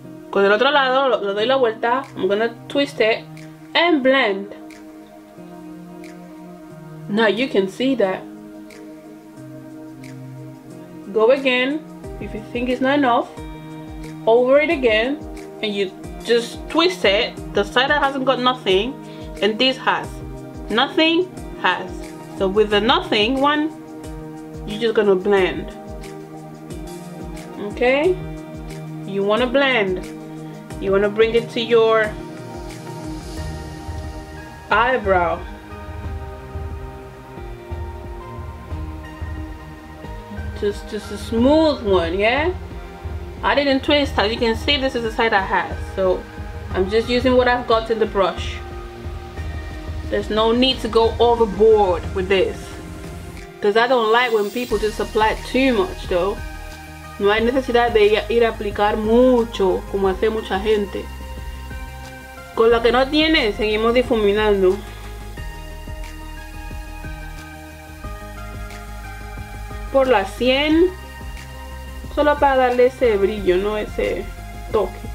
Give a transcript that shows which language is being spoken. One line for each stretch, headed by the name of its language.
Spanish: Con el otro lado lo doy la vuelta.
English: I'm gonna twist it and blend. Now you can see that. Go again if you think it's not enough. Over it again and you just twist it. The side that hasn't got nothing and this has. Nothing has. So with the nothing one, you're just gonna blend. Okay? You wanna blend. You wanna bring it to your eyebrow. Just a smooth one, yeah? I didn't twist. As you can see, this is the side I have. So I'm just using what I've got in the brush. There's no need to go overboard with this. Because I don't like when people just apply too much, though.
Spanish: No hay necesidad de ir a aplicar mucho, como hace mucha gente. Con lo que no tiene, seguimos difuminando. Por la 100, solo para darle ese brillo, no ese toque.